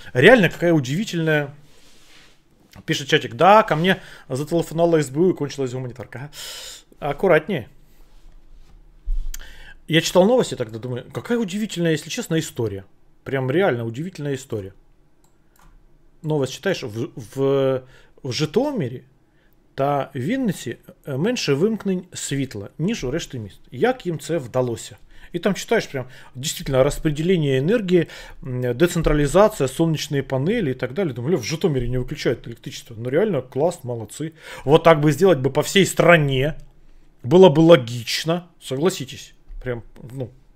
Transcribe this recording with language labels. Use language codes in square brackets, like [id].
[ru] Реально, какая удивительная. Пишет чатик. Да, ко мне зателефонала СБУ и кончилась гуманитарка. Аккуратнее. Я читал новости тогда, думаю, какая удивительная, если честно, история. Прям реально удивительная история. Новость читаешь. [uk] В Житомире та Вінниці менше вимкнень світла, ніж у решті міст. Як їм це вдалося? [ru] И там читаешь прям, действительно, распределение энергии, децентрализация, солнечные панели и так далее. Думаю, в Житомире не выключают электричество. Ну реально, класс, молодцы. Вот так бы сделать бы по всей стране. Было бы логично, согласитесь. Прям, ну.